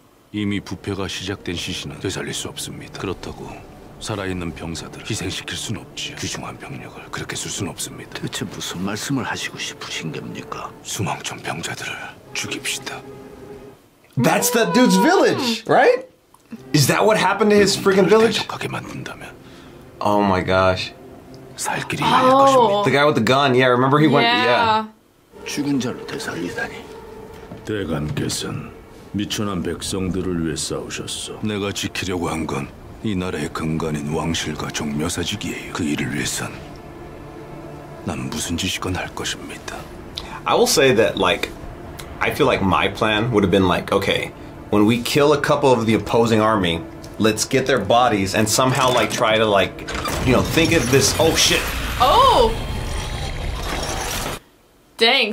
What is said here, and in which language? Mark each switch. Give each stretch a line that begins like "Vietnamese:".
Korean: 이미 부패가 시작된 시신은 되살릴 수 없습니다. 그렇다고 살아있는 병사들 희생시킬 순 없지요. 귀중한 병력을 그렇게 쓸 순 없습니다. 대체 무슨 말씀을 하시고 싶으신 겁니까? 수망촌 병자들을 죽입시다.
English: That's that dude's village, right? Is that what happened to his freaking village? Oh my gosh. The guy with the gun. Yeah, remember he went. Yeah.
Korean: 죽은 자를 되살리다니. 대관께서는 미천한 백성들을 위해 싸우셨어. 내가 지키려고 한 건 이 나라의 근간인 왕실과 종묘사직이에요. 그 일을 위해선 난 무슨 짓이건 할 것입니다.
English: I will say that, like, I feel like my plan would have been like, okay, when we kill a couple of the opposing army, let's get their bodies and somehow, like, try to, like, you know, think of this. Oh shit. Oh. Dang.